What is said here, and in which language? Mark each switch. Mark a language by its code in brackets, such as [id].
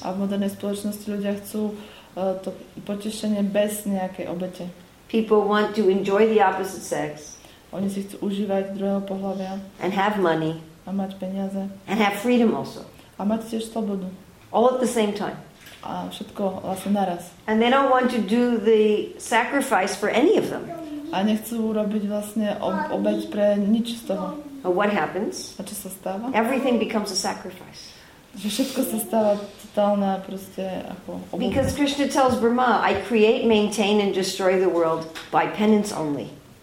[sk] A v modernej spoločnosti ľudia chcú to potešenie bez nejakej obete. [en] People want to enjoy the opposite sex. [sk] Oni si chcú užívať druhého pohlavia. [en] And have money. [sk] A mať peniaze. [en] And have freedom also. [sk] A mať tiež slobodu. [en] All at the same time. [sk] A všetko vlastne naraz. [en] And they don't want to do the sacrifice for any of them. [sk] A nechcú urobiť vlastne obeť pre nič z toho. [en] But what happens? [sk] A čo sa stáva? [en] Everything becomes a sacrifice. [sk] Že všetko sa stáva totálne proste ako obeť. [en] Because Krishna tells Brahma, I create, maintain and destroy the world by penance only.